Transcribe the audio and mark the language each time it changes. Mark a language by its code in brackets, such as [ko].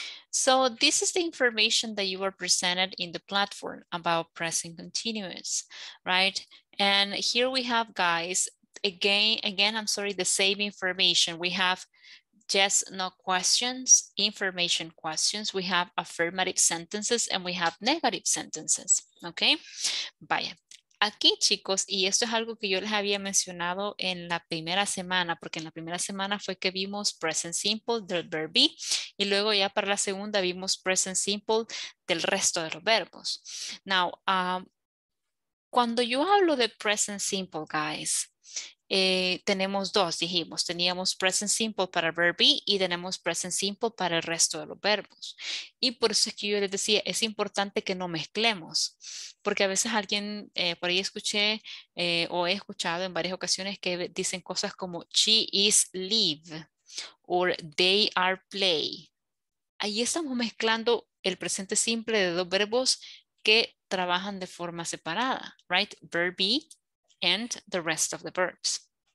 [en] So this is the information that you are presented in the platform about present continuous, right? And here we have, guys, again, the same information. We have yes, no questions, information questions. We have affirmative sentences and we have negative sentences, okay? [es] Vaya. Aquí, chicos, y esto es algo que yo les había mencionado en la primera semana, porque en la primera semana fue que vimos present simple del verb be, y luego ya para la segunda vimos present simple del resto de los verbos. Now, cuando yo hablo de present simple, guys, tenemos dos, dijimos, teníamos present simple para verb be y tenemos present simple para el resto de los verbos. Y por eso es que yo les decía, es importante que no mezclemos, porque a veces alguien, por ahí escuché o he escuchado en varias ocasiones que dicen cosas como [en] she is live [es] o [en] they are play. [es] Ahí estamos mezclando el presente simple de dos verbos que trabajan de forma separada, right? [en] Verb be and the rest of the verbs.